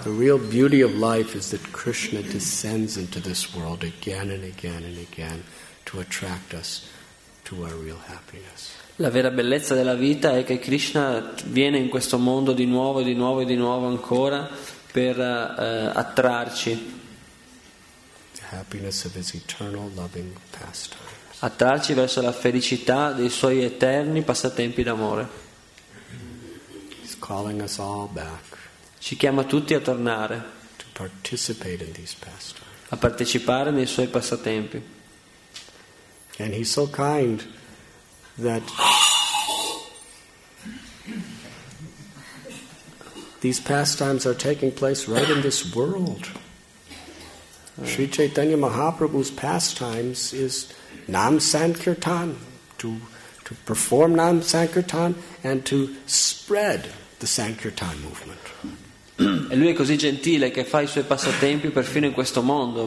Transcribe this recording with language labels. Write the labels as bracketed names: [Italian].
[English] The real beauty of life is that Krishna descends into this world again and again and again to attract us to our real happiness. [Italian] La vera bellezza della vita è che Krishna viene in questo mondo di nuovo e di nuovo e di nuovo ancora per attrarci. [English] The happiness of his eternal loving pastimes. [Italian] Attrarci verso la felicità dei suoi eterni passatempi d'amore. [English] He's calling us all back. [Italian] Ci chiama tutti a tornare. [English] To participate in these pastimes. [Italian] A partecipare nei suoi passatempi. [English] And he's so kind that these pastimes are taking place right in this world. Sri Chaitanya Mahaprabhu's pastimes is Nam Sankirtan, to perform Nam Sankirtan and to spread the Sankirtan movement. [Italian] E lui è così gentile che fa i suoi passatempi perfino in questo mondo.